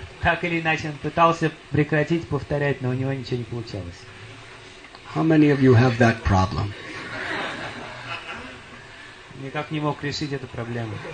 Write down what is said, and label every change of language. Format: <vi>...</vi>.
<ru>Так или иначе, он пытался прекратить повторять, но у него ничего не получалось.</ru> <en>How many of you have that problem?</en> <ru>Никак не мог решить эту проблему.</ru>